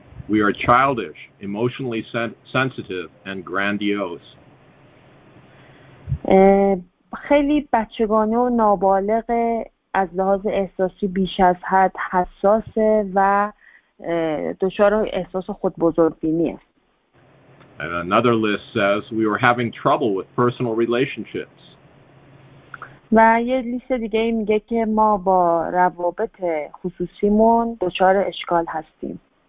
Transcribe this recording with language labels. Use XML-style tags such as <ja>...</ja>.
<en>We are childish, emotionally sensitive and grandiose.</en> <fa>با خیلی بچگانه و نابالغ از لحاظ احساسی بیش از حد حساسه و دچار احساس خودبزرگبینی است.</fa> <en>And another list says we were having trouble with personal relationships.</en> <fa>و یه لیست دیگه میگه که ما با روابط خصوصیمون دچار اشکال هستیم.</fa>